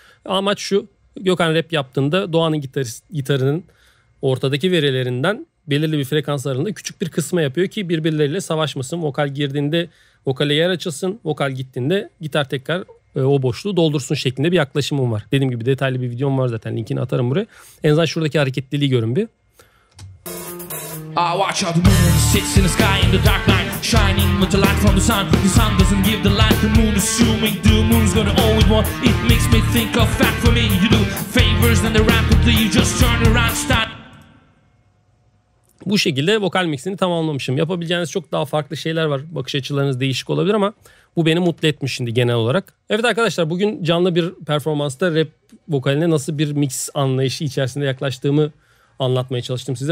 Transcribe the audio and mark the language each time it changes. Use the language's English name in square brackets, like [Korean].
[Turkish] Amaç şu: Gökhan rap yaptığında Doğan'ın gitarının ortadaki verilerinden belirli bir frekans aralığında küçük bir kısma yapıyor ki birbirleriyle savaşmasın. Vokal girdiğinde vokale yer açılsın, vokal gittiğinde gitar tekrar o boşluğu doldursun şeklinde bir yaklaşımım var. Dediğim gibi detaylı bir videom var zaten, linkini atarım buraya. En azından şuradaki hareketliliği görün bir. [English] I watch out the moon, sits in the sky in the dark night, shining with the light from the sun. The sun doesn't give the light, the moon assuming the moon's gonna always want. It makes me think of fact for me, you do favors and the rapidly you just turn around start. [Turkish] Bu şekilde vokal mixini tamamlamışım. Yapabileceğiniz çok daha farklı şeyler var. Bakış açılarınız değişik olabilir ama bu beni mutlu etmiş şimdi genel olarak. Evet arkadaşlar, bugün canlı bir performansta rap vokaline nasıl bir mix anlayışı içerisinde yaklaştığımı anlatmaya çalıştım size.